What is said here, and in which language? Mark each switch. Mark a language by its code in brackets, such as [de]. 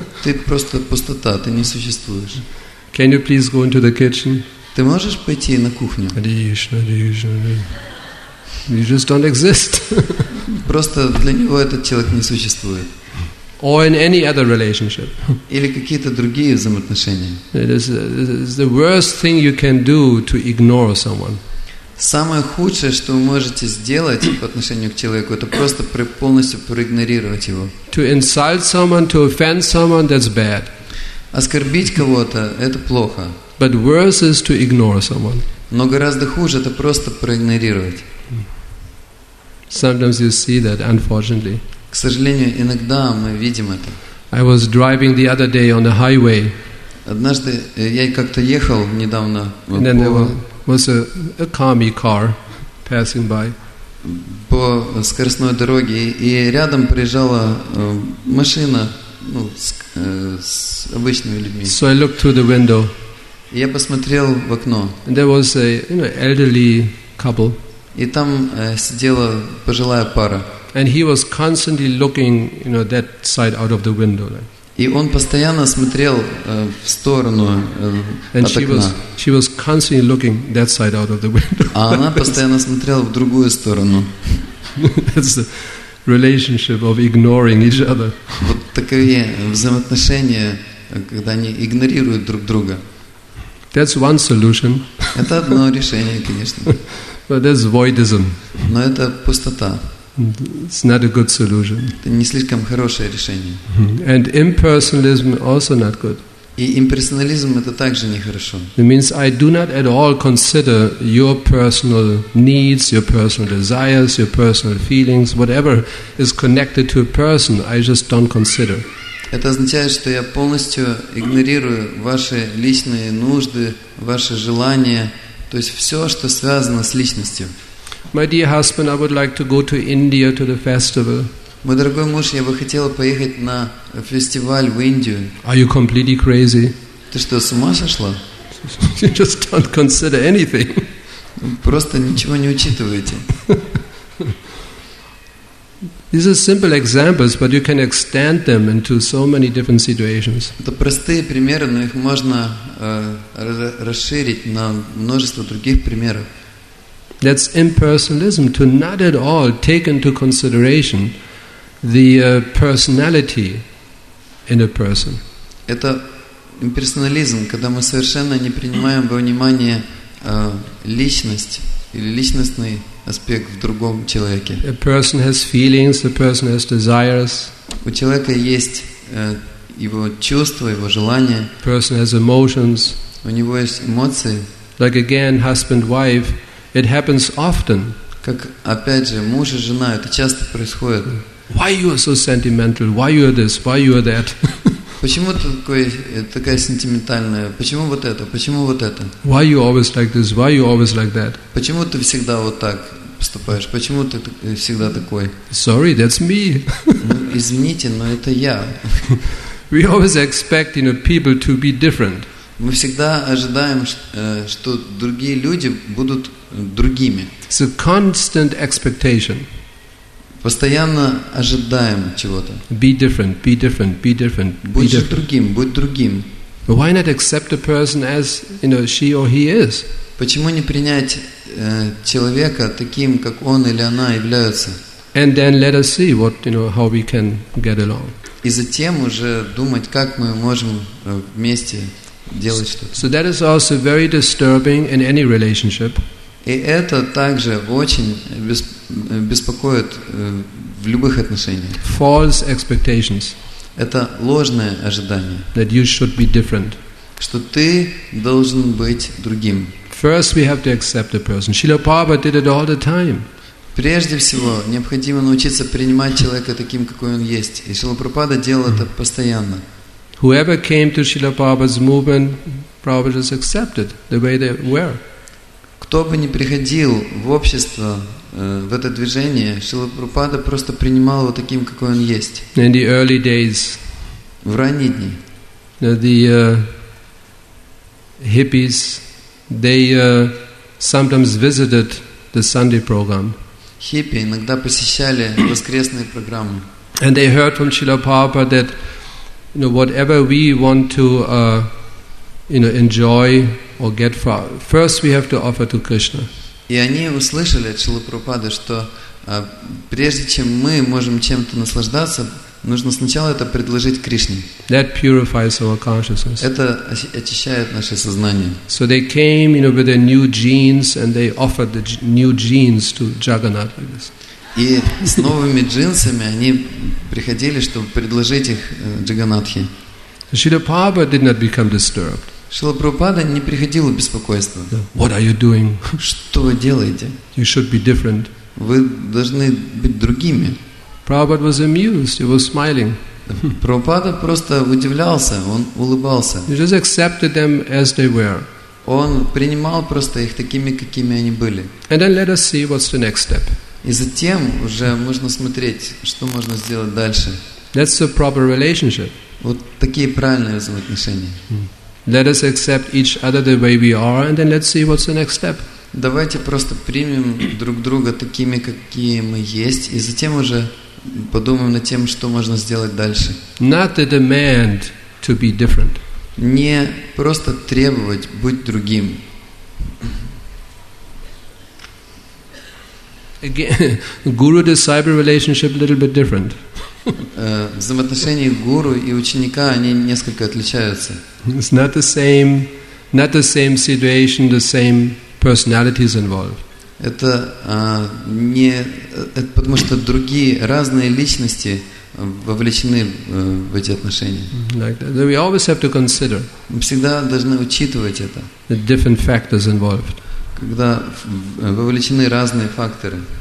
[ru] Ты просто пустота. Ты не существуешь. [en] Can you please go into the kitchen? [ru] Ты можешь пойти на кухню? [en] Кришна, Кришна. You just don't exist. [ru] Просто для него этот человек не существует. [en] Or in any other relationship. [ru] Или какие-то другие взаимоотношения. [en] It is the worst thing you can do to ignore someone. [ru] Самое худшее, что вы можете сделать по отношению к человеку, это просто полностью проигнорировать его. [en] To insult someone, to offend someone, that's bad. [ru] Оскорбить кого-то – это плохо. [en] But worse is to ignore someone. [ru] Но гораздо хуже – это просто проигнорировать. [en] Sometimes you see that, unfortunately. [ru] К сожалению, иногда мы видим это. [en] I was driving the other day on the highway. [ru] Однажды я как-то ехал недавно по... [en] Was a commie car passing by. [ru] По скоростной дороге, и рядом проезжала машина, ну, с обычными людьми. [en] So I looked through the window. [ru] Я посмотрел в окно. [en] And there was a, you know, elderly couple. [ru] И там сидела пожилая пара. [en] And he was constantly looking, you know, that side out of the window. [ru] И он постоянно смотрел в сторону [en] and [ru] от окна. [en] She was constantly looking that side out of the window. [ru] А она постоянно смотрела в другую сторону. [en] That's the relationship of ignoring each other. [ru] Вот такие взаимоотношения, когда они игнорируют друг друга. [en] That's one solution. [ru] Это одно решение, конечно. [en] But that's voidism. [ru] Но это пустота. [en] It's not a good solution. [ru] Это не слишком хорошее решение. [en] And impersonalism also not good. [ru] И имперсонализм это также нехорошо. [en] It means I do not at all consider your personal needs, your personal desires, your personal feelings, whatever is connected to a person, I just don't consider. [ru] Это означает, что я полностью игнорирую ваши личные нужды, ваши желания, то есть все, что связано с личностью. [en] My dear husband, I would like to go to India to the festival. [ru] Мой дорогой муж, я бы хотела поехать на фестиваль в Индию. [en] Are you completely crazy? [ru] Ты что, с ума сошла? [en] You just don't consider anything. [ru] Просто ничего не учитываете. [en] These are simple examples, but you can extend them into so many different situations. [ru] Это простые примеры, но их можно расширить на множество других примеров. [en] That's impersonalism, to not at all take into consideration the personality in a person. [ru] Это имперсонализм, когда мы совершенно не принимаем во внимание личность или личностный аспект в другом человеке. [en] A person has feelings, a person has desires. [ru] У человека есть его чувства, его желания. [en] A person has emotions. [ru] У него есть эмоции. [en] Like again, husband, wife. It happens often. [ru] Как опять же, муж и жена, это часто происходит. [en] Why you are so sentimental? Why you are this? Why you are that? [ru] Почему ты такая сентиментальная? Почему вот это? Почему вот это? [en] Why you always like this? Why you always like that? [ru] Почему ты всегда вот так поступаешь? Почему ты всегда такой? [en] Sorry, that's me. [ru] Извините, но это я. [en] We always expect, you know, people to be different. [ru] Мы всегда ожидаем, что другие люди будут другими. [en] It's a constant expectation. [ru] Постоянно ожидаем чего-то. [en] Be different, be different, be different. [ru] Будь другим, будь другим. [en] Why not accept a person as, you know, she or he is? [ru] Почему не принять человека таким, как он или она являются? [en] And then let us see what, you know, how we can get along. [ru] И затем уже думать, как мы можем вместе делать что-то. [en] So that is also very disturbing in any relationship. [ru] И это также очень беспокоит в любых отношениях. [en] False expectations. [ru] Это ложное ожидание. [en] That you should be different. [ru] Что ты должен быть другим. [en] First we have to accept the person. Шрила Прабхупада did it all the time. [ru] Прежде всего, необходимо научиться принимать человека таким, какой он есть. И Шрила Прабхупада делал это постоянно. [en] Whoever came to Srila Prabhupada's movement, Prabhupada just accepted the way they were. [ru] Кто бы ни приходил в общество, в это движение, Шрила Прабхупада просто принимал его таким, какой он есть. [en] In the early days, [ru] в ранние дни, [en] the hippies, they sometimes visited the Sunday program. [ru] Хиппи иногда посещали воскресные программы. [en] And they heard from Srila Prabhupada that, you know, whatever we want to enjoy or get for, first we have to offer to Krishna. [ru] И они услышали от Шрилы Прабхупады, что прежде чем мы можем чем-то наслаждаться, нужно сначала это предложить Кришне. [en] That purifies our consciousness. [ru] Это очищает наше сознание. [en] So they came, you know, with their new jeans and they offered the new jeans to Jagannath like this. [ru] И с новыми джинсами они приходили, чтобы предложить их Джаганатхе. [en] Шрила Прабхупада did not become disturbed. [ru] Шрила Прабхупада не приходило беспокойство. [en] What are you doing? [ru] Что вы делаете? [en] You should be different. [ru] Вы должны быть другими. [en] Prabhupada was amused. He was smiling. [ru] Прабхупада просто удивлялся. Он улыбался. [en] He just accepted them as they were. [ru] Он принимал просто их такими, какими они были. [en] And then let us see what's the next step. [ru] И затем уже можно смотреть, что можно сделать дальше. [en] That's a proper relationship. [ru] Вот такие правильные взаимоотношения. [en] Let us accept each other the way we are, and then let's see what's the next step. [ru] Давайте просто примем друг друга такими, какие мы есть, и затем уже подумаем над тем, что можно сделать дальше. [en] Not the demand to be different. [ru] Не просто требовать быть другим. [en] Guru-disciple relationship a little bit different. [ru] Взаимоотношения гуру и ученика, они несколько отличаются. [en] It's not the same situation, the same personalities involved. [ru] Это не, это потому что другие, разные личности вовлечены в эти отношения. [en] Like that. We always have to consider. [ru] Мы всегда должны учитывать это. [en] The different factors involved. [ru] Когда вовлечены разные факторы.